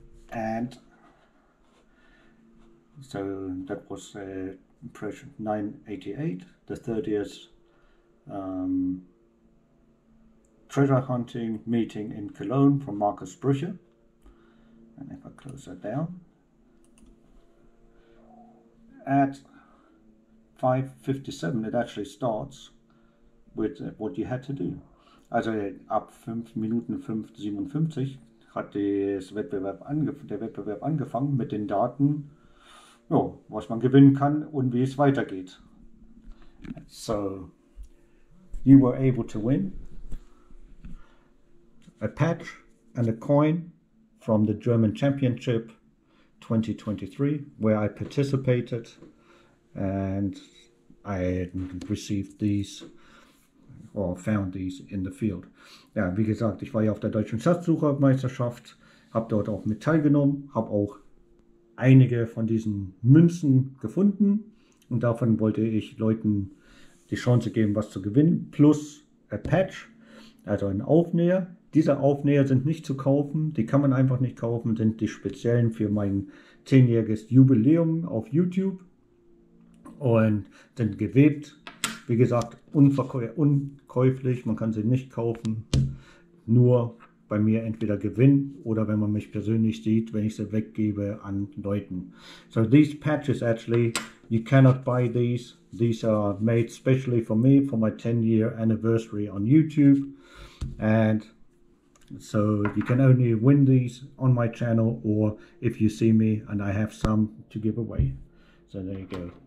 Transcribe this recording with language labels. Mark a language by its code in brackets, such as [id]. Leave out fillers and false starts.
[en] And so that was impression 988, the 30th treasure hunting meeting in Cologne from Markus Brücher. And if I close that down. At 5:57, it actually starts with what you had to do. [de] Also ab 5:57 hat der Wettbewerb angefangen mit den Daten, jo, was man gewinnen kann und wie es weitergeht. [en] So, you were able to win a patch and a coin from the German Championship 2023, where I participated and I received these or found these in the field. [de] Ja, wie gesagt, ich war ja auf der deutschen Schatzsuchermeisterschaft, habe dort auch mit teilgenommen, habe auch einige von diesen Münzen gefunden und davon wollte ich Leuten die Chance geben, was zu gewinnen, [en] plus a patch, [de] also ein Aufnäher. Diese Aufnäher sind nicht zu kaufen, die kann man einfach nicht kaufen, sind die speziellen für mein 10-jähriges Jubiläum auf YouTube. Und sind gewebt, wie gesagt, unkäuflich, man kann sie nicht kaufen, nur bei mir entweder gewinnen oder wenn man mich persönlich sieht, wenn ich sie weggebe an Leuten. [en] So these patches actually, you cannot buy these. These are made specially for me, for my 10-year anniversary on YouTube. And so you can only win these on my channel or if you see me and I have some to give away. So there you go.